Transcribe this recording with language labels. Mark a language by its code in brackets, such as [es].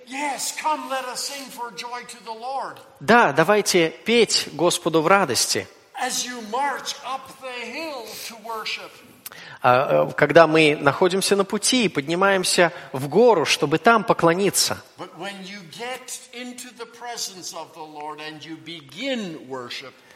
[en] Yes, come, let us sing for joy to the Lord. [ru] Да, давайте петь Господу в радости. [en] As you march up the hill to worship. [ru] Когда мы находимся на пути и поднимаемся в гору, чтобы там поклониться. [en] But when you get into the presence of the Lord and you begin worship.